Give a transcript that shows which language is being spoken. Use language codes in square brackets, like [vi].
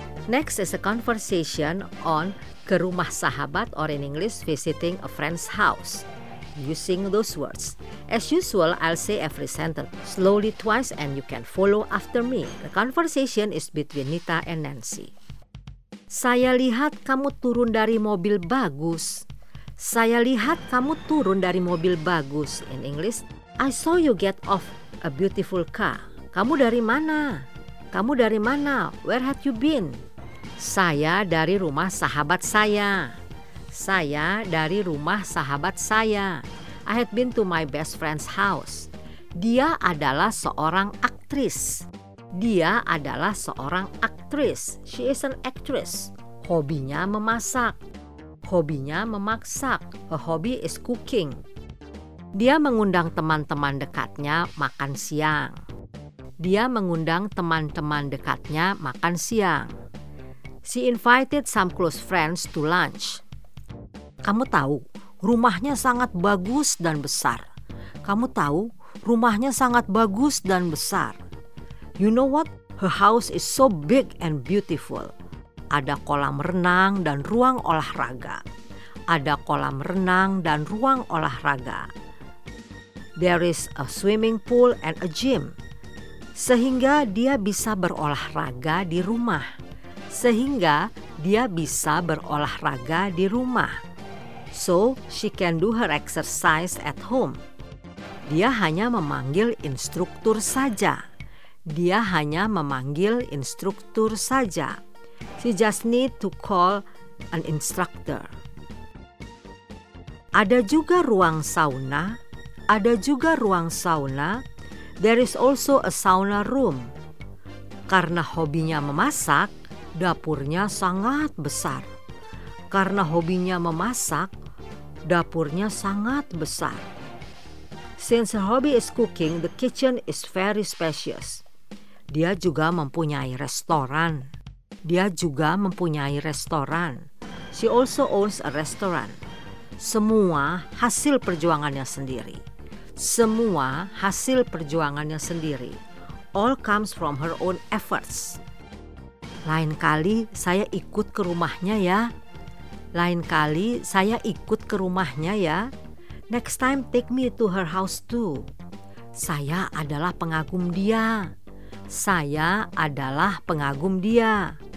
[en] Next is a conversation on [id] ke rumah sahabat, [en] or in English, visiting a friend's house. Using those words. As usual, I'll say every sentence slowly twice and you can follow after me. The conversation is between Nita and Nancy. [id] Saya lihat kamu turun dari mobil bagus. Saya lihat kamu turun dari mobil bagus. [en] In English, I saw you get off a beautiful car. [id] Kamu dari mana? Kamu dari mana? [en] Where have you been? [id] Saya dari rumah sahabat saya. Saya dari rumah sahabat saya. [en] I had been to my best friend's house. [id] Dia adalah seorang aktris. Dia adalah seorang aktris. [en] She is an actress. [id] Hobinya memasak. Hobinya memasak. [en] Her hobby is cooking. [id] Dia mengundang teman-teman dekatnya makan siang. Dia mengundang teman-teman dekatnya makan siang. [en] She invited some close friends to lunch. [id] Kamu tahu, rumahnya sangat bagus dan besar. Kamu tahu, rumahnya sangat bagus dan besar. [en] You know what? Her house is so big and beautiful. [id] Ada kolam renang dan ruang olahraga. Ada kolam renang dan ruang olahraga. [en] There is a swimming pool and a gym. [id] Sehingga dia bisa berolahraga di rumah. Sehingga dia bisa berolahraga di rumah. [en] So she can do her exercise at home. [id] Dia hanya memanggil instruktur saja. Dia hanya memanggil instruktur saja. [en] She just need to call an instructor. [id] Ada juga ruang sauna. Ada juga ruang sauna. [en] There is also a sauna room. [id] Karena hobinya memasak, dapurnya sangat besar. Karena hobinya memasak, dapurnya sangat besar. [en] Since her hobby is cooking, the kitchen is very spacious. [id] Dia juga mempunyai restoran. Dia juga mempunyai restoran. [en] She also owns a restaurant. [id] Semua hasil perjuangannya sendiri. Semua hasil perjuangannya sendiri. [en] All comes from her own efforts. [id] Lain kali saya ikut ke rumahnya ya. Lain kali saya ikut ke rumahnya ya. [en] Next time take me to her house too. [id] Saya adalah pengagum dia. Saya adalah pengagum dia.